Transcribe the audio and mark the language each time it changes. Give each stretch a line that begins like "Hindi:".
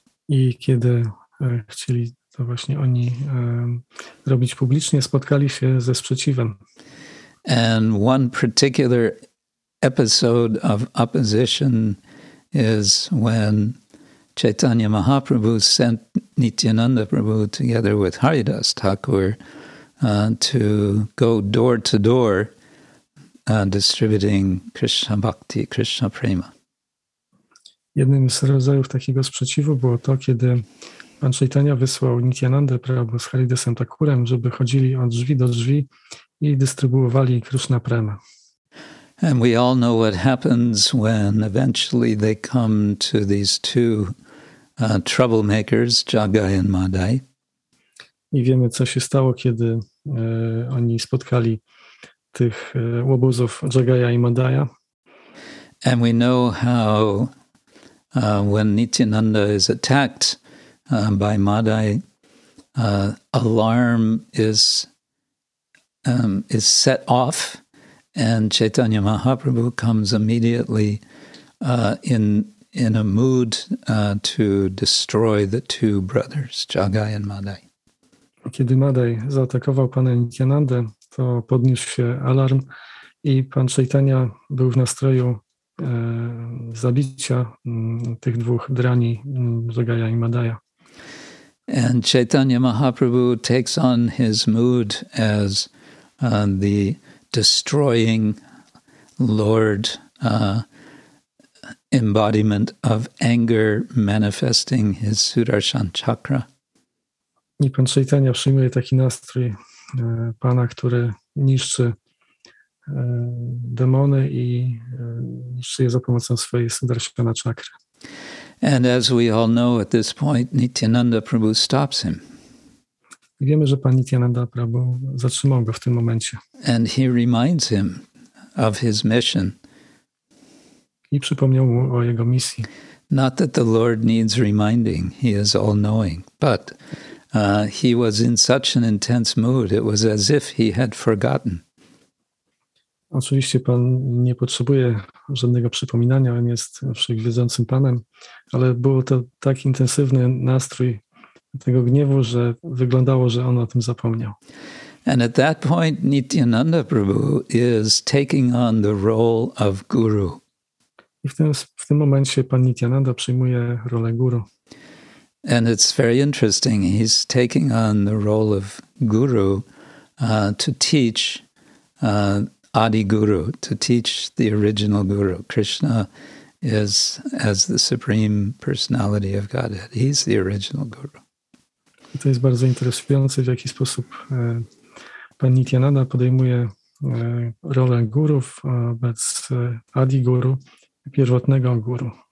Polish: I kiedy chcieli to właśnie oni robić publicznie, spotkali się ze sprzeciwem.
English: And one particular episode of opposition is when Chaitanya Mahaprabhu sent Nityananda Prabhu together with Haridas Thakur to go door to door distributing Krishna Bhakti, Krishna Prema.
Polish: Jednym z rodzajów takiego sprzeciwu było to, kiedy pan Chaitanya wysłał Nityananda Prabhu z Haridasem Thakurem, żeby chodzili od drzwi do drzwi i dystrybuowali Krishna Prema.
English: And we all know what happens when eventually they come to these two troublemakers, Jagai and Madai.
Polish: I wiemy, co się stało, kiedy oni spotkali tych łobuzów Jagaya i Madaya.
English: And we know how when Nityananda is attacked by Madai, alarm is set off. And Chaitanya Mahaprabhu comes immediately in a mood to destroy the two brothers, Jagai and Madai.
Polish: Kiedy Madai zaatakował pana Nityanandę, to podniósł się alarm i pan Chaitanya był w nastroju zabicia tych dwóch drani, Jagaya i Madaya.
English: And Chaitanya Mahaprabhu takes on his mood as the destroying Lord embodiment of anger manifesting his Sudarshan Chakra.
Polish: I pan Chaitanya przyjmuje taki nastrój pana, który niszczy demony i niszczy je za pomocą swojej Sudarshana Chakra.
English: And as we all know at this point, Nityananda Prabhu stops him.
Polish: Wiemy, że Pan Nityananda Prabhu zatrzymał go w tym momencie.
English: And he reminds him of his mission.
Polish: I przypomniał mu o jego misji.
English: Not that the Lord needs reminding, he is all-knowing, but he was in such an intense mood, it was as if he had forgotten.
Polish: Oczywiście Pan nie potrzebuje żadnego przypominania, on jest wszechwiedzącym Panem, ale było to tak intensywny nastrój tego gniewu, że wyglądało, że on o tym zapomniał.
English: And at that point Nityananda Prabhu is taking on the role of guru.
Polish: I w tym momencie Pan Nityananda przyjmuje rolę guru.
English: And it's very interesting. He's taking on the role of guru to teach Adi Guru, to teach the original guru. Krishna is as the supreme personality of Godhead. He's the original guru.
Polish: To jest bardzo interesujące, w jaki sposób Pan Nityananda podejmuje rolę guru wobec Adi Guru, pierwotnego guru.